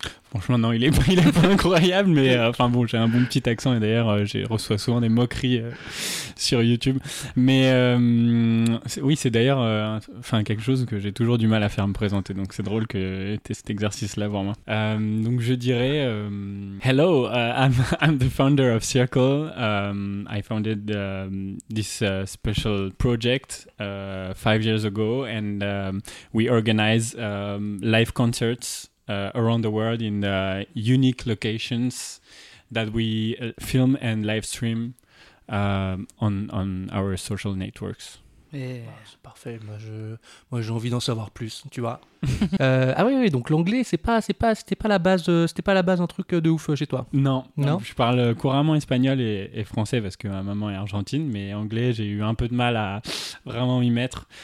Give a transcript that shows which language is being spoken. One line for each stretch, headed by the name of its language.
French: Franchement, non, il est pas incroyable, mais enfin bon, j'ai un bon petit accent et d'ailleurs, je reçois souvent des moqueries sur YouTube. Mais c'est d'ailleurs quelque chose que j'ai toujours du mal à faire me présenter, donc c'est drôle que tu aies cet exercice-là pour moi. Donc je dirais
English: Hello, I'm the founder of Cercle. I founded this special project 5 years ago and we organize live concerts around the world in unique locations that we film and live stream on our social networks. Yeah.
French: Oh, c'est parfait, moi j'ai envie d'en savoir plus, tu vois. oui, donc l'anglais, c'était pas la base un truc de ouf chez toi. Non, non. Je parle couramment espagnol et français parce que ma maman est argentine, mais anglais, j'ai eu un peu de mal à vraiment m'y mettre.